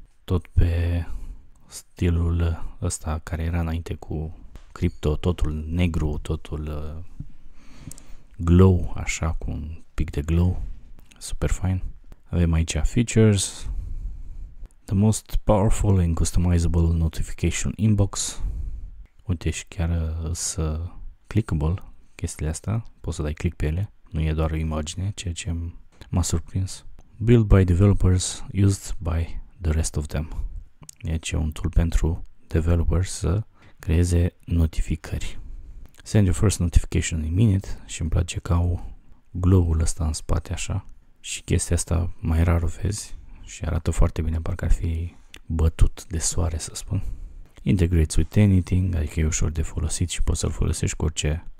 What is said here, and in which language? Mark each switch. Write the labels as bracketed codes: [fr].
[ro] Tot pe stilul ăsta care era înainte cu crypto, totul negru, totul glow, așa, cu un pic de glow. Super fain. Avem aici features. [en] The most powerful and customizable notification inbox. [ro] Uite, și chiar să clickable chestiile astea. Poți să dai click pe ele. Nu e doar o imagine, ceea ce m-a surprins. [en] Built by developers, used by the rest of them. [ro] Deci e un tool pentru developers să creeze notificări. [en] Send your first notification in minute [ro] și îmi place că au glow-ul ăsta în spate așa. Și chestia asta mai rar o vezi și arată foarte bine, parcă ar fi bătut de soare, să spun. [en] Integrates with anything, [ro] adică e ușor de folosit și poți să-l folosești cu orice